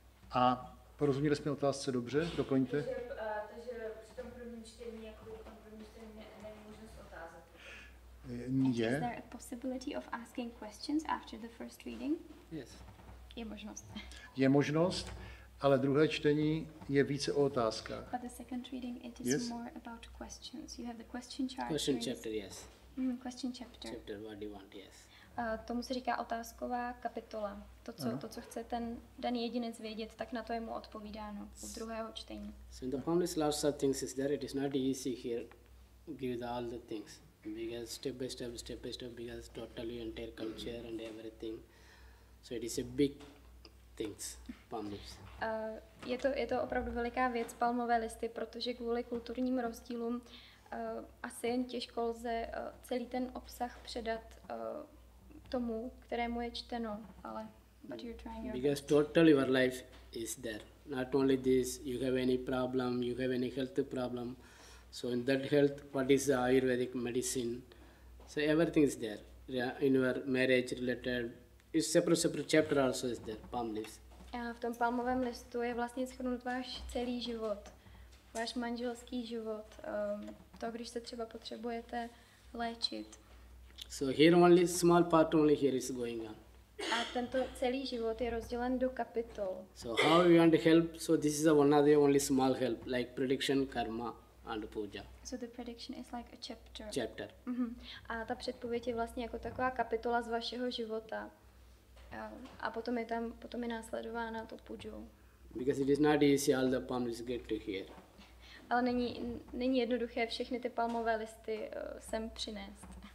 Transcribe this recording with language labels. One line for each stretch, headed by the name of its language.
Czech: A porozuměli jsme otázce dobře? Doplňte. Takže při tom prvním čtení, jako v tom prvním čtení, není možnost otázek. Je.
English: Is there a possibility of asking questions after the first reading? Yes.
Czech: Je možnost. Je možnost, ale druhé čtení je více o otázkách.
English: But the second reading it is yes? More about questions. You have the question chapter. Question chapter, yes. Question chapter. Chapter, what do you want, yes.
Czech: Tomu se říká otázková kapitola. To, co chce ten daný jedinec vědět, tak na to je mu odpovídáno u druhého čtení.
English: So in the family's large such things is there. It is not easy here give all the things. Because step by step, because totally entire culture and everything. So it is a big things, palm leaves.
Czech: Je to opravdu veliká věc, palmové listy, protože kvůli kulturním rozdílům asi jen těžko lze celý ten obsah předat tomu, kterému je čteno, ale
English: but you're trying your because best. Totally your life is there. Not only this, you have any problem, you have any health problem. So in that health, what is the Ayurvedic medicine? So everything is there. Yeah, in your marriage related, it's separate chapter also is there, palm leaves.
Czech: V tom palmovém listu je vlastně shrnut váš celý život, váš manželský život, to, když se třeba potřebujete léčit.
English: So here only small part only here is going on.
Czech: A tento celý život je rozdělen do kapitol.
English: So how you want to help? So this is a one other only small help, like prediction, karma and puja. So the prediction is like a chapter. Chapter. Mm-hmm.
Czech: A ta předpověď je vlastně jako taková kapitola z vašeho života. A potom je tam potom je následována to pujo.
English: Because it is not easy all the palm leaves get to here.
Czech: Ale není jednoduché všechny ty palmové listy sem přinést.